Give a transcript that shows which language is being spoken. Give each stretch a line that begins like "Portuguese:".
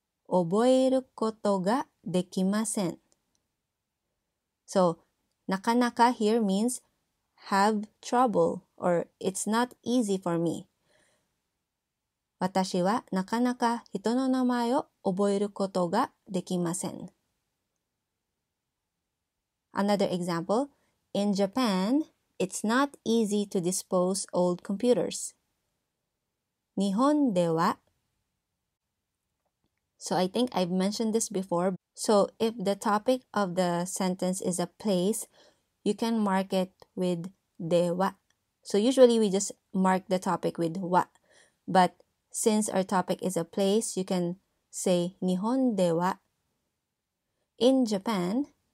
Japanese: 覚えることができません。
English: So, なかなか here means have trouble or it's not easy for me.
Japanese: 私はなかなか人の名前を覚えることができません。
English: Another example, in Japan, it's not easy to dispose old computers.
Japanese: 日本では
English: So I think I've mentioned this before. So if the topic of the sentence is a place, you can mark it with では So usually we just mark the topic with は But since our topic is a place, you can say 日本では In Japan,